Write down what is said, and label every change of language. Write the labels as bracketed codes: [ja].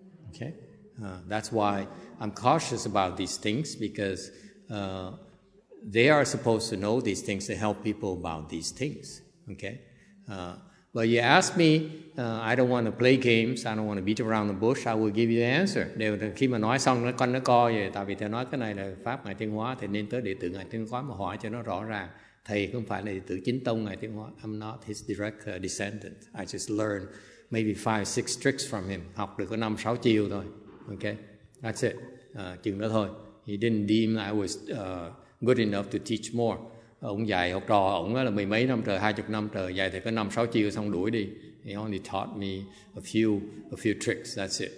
[en] Okay, that's why I'm cautious about these things because they are supposed to know these things to help people about these things. Okay, but you ask me, I don't want to play games. I don't want to beat around the bush. I will give you the answer. [vi] Nếu khi mà nói xong con nó coi vậy, tại vì thầy nói cái này là pháp ngài Tiên Hóa, thì nên tới đệ tử ngài Tiên Hóa mà hỏi cho nó rõ ràng. Thầy không phải là đệ tử chính tông ngài Tiên Hóa. [en] I'm not his direct descendant. I just learned maybe 5-6 tricks from him. [vi] Học được có 5-6 chiêu thôi. [en] Okay, that's it. [vi] Chừng đó thôi. [en] He didn't deem I was good enough to teach more. [vi] Ông dạy học trò ông là mười mấy năm trời, 20 năm trời, dạy thì có 5-6 chiêu xong đuổi đi. [en] He only taught me a few tricks, that's it.